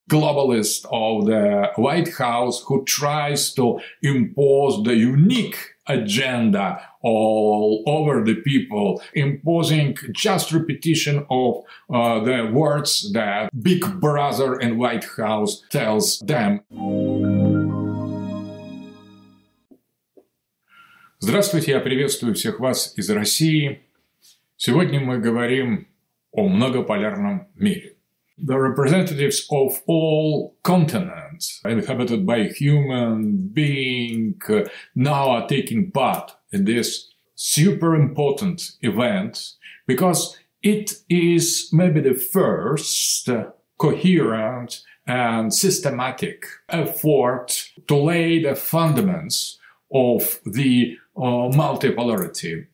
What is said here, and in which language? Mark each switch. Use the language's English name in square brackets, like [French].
[English] globalist of the White House who tries to impose the unique agenda all over the people, imposing just repetition of the words that Big Brother and White House tells them. [Russian] Здравствуйте, я приветствую всех вас из России. Сегодня мы говорим о многополярном мире. [English] The representatives of all continents inhabited by human being now are taking part in this super important event because it is maybe the first coherent and systematic effort to lay the fundamentals of the multipolarity.